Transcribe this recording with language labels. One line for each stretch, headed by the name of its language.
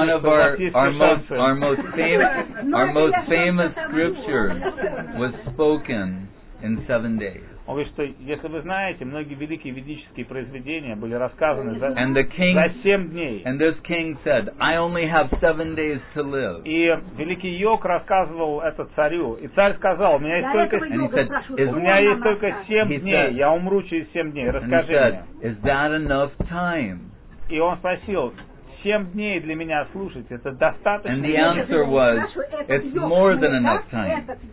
English: one of our most famous scripture was spoken in 7 days.
Russian: Он говорит, что, если вы знаете, многие великие ведические произведения были рассказаны за 7 дней.
English: And this king said, I only have 7 days to live.
Russian: И великий йог рассказывал это царю. И царь сказал, у меня есть только 7 дней. У меня есть только 7 дней. Я умру через 7 дней. Расскажи мне.
English: Is that enough time?
Russian: И он спросил, 7 дней для меня слушать, это достаточно.
English: And the answer was, it's more than enough time.